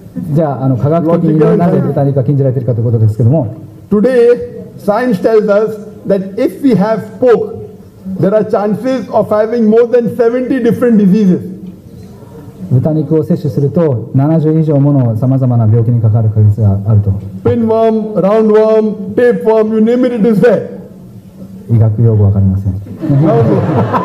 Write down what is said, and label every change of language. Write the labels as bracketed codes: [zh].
[ja] じゃあ、科学的になぜ豚肉が禁じられているかということですけども。 [en] Today, science tells us that if we have pork, there are chances of having more than 70 different diseases. [ja] 豚肉を摂取すると70以上ものさまざまな病気にかかる可能性があると。 [en] Pinworm, roundworm, tapeworm, you name it, it is there. [ja] 医学用語わかりません。